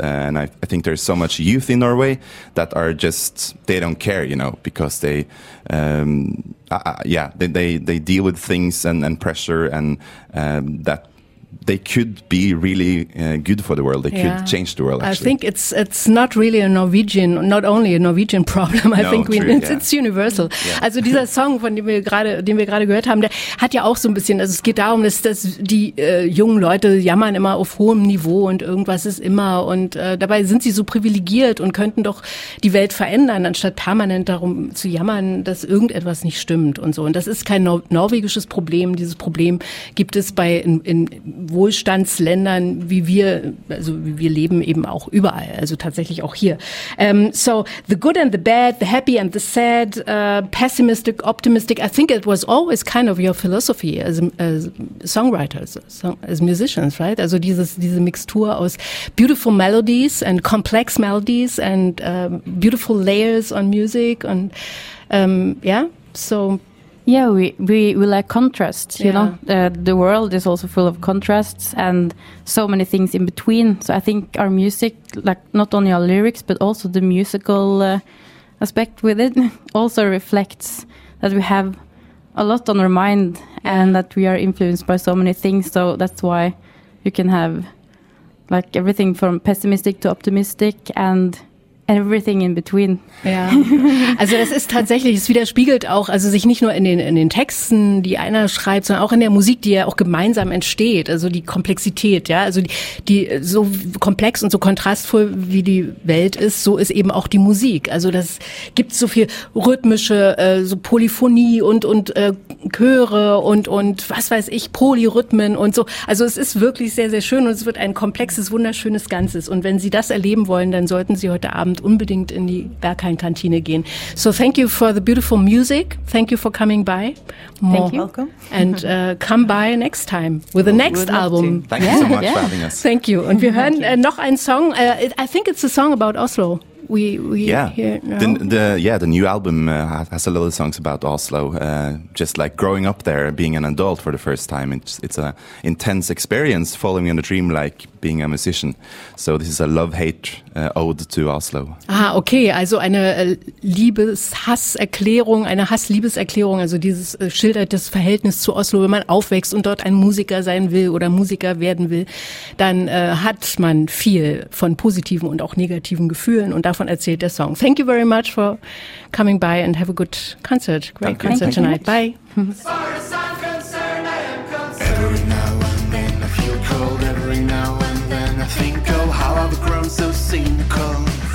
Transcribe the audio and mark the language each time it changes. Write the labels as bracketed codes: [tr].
[en] And I think there's so much youth in Norway that are just, they don't care, you know, because they, they deal with things and pressure and that they could be really good for the world. They could change the world, actually. I think it's not really a Norwegian, not only a Norwegian problem. It's universal. Yeah. [de] Also dieser Song, den wir gerade gehört haben, der hat ja auch so ein bisschen, also es geht darum, dass die jungen Leute jammern immer auf hohem Niveau und irgendwas ist immer. Und dabei sind sie so privilegiert und könnten doch die Welt verändern, anstatt permanent darum zu jammern, dass irgendetwas nicht stimmt und so. Und das ist kein norwegisches Problem. Dieses Problem gibt es bei in Wohlstandsländern, wie wir, also wie wir leben eben auch überall, also tatsächlich auch hier. [en] So the good and the bad, the happy and the sad, pessimistic, optimistic. I think it was always kind of your philosophy as songwriters, as musicians, right? [de] Also diese Mixtur aus [en] beautiful melodies and complex melodies and beautiful layers on music and Yeah, we like contrast, you know. The world is also full of contrasts and so many things in between. So I think our music, like not only our lyrics, but also the musical aspect with it, also reflects that we have a lot on our mind and that we are influenced by so many things. So that's why you can have like everything from pessimistic to optimistic and everything in between. [de] Ja. Also das ist tatsächlich, es widerspiegelt auch, also sich nicht nur in den Texten, die einer schreibt, sondern auch in der Musik, die ja auch gemeinsam entsteht, also die Komplexität, ja, also die so komplex und so kontrastvoll wie die Welt ist, so ist eben auch die Musik. Also das gibt so viel rhythmische so Polyphonie und Chöre und was weiß ich, Polyrhythmen und so. Also es ist wirklich sehr sehr schön und es wird ein komplexes, wunderschönes Ganzes, und wenn Sie das erleben wollen, dann sollten Sie heute Abend unbedingt in die Berghain-Kantine gehen. So thank you for the beautiful music. Thank you for coming by. More. Thank you. Welcome. And come by next time with the next album. Thank you so much for having us. [en] Thank you. [de] Und wir hören noch einen Song. [en] I think it's a song about Oslo. The new album has a little songs about Oslo, just like growing up there, being an adult for the first time. It's a intense experience following in a dream like being a musician. So this is a love-hate ode to Oslo. [de] Ah, okay, also eine Liebes-Hass-Erklärung, eine Hass-Liebes-Erklärung, also dieses schildert das Verhältnis zu Oslo, wenn man aufwächst und dort ein Musiker sein will oder Musiker werden will, dann hat man viel von positiven und auch negativen Gefühlen, und davon erzählt der Song. [en] Thank you very much for coming by and have a good concert. Great Thank concert you. Tonight. Thank you. Bye. As far as I'm concerned, I am concerned. Every now and then I feel cold. Every now and then I think, oh, how I've grown so cynical.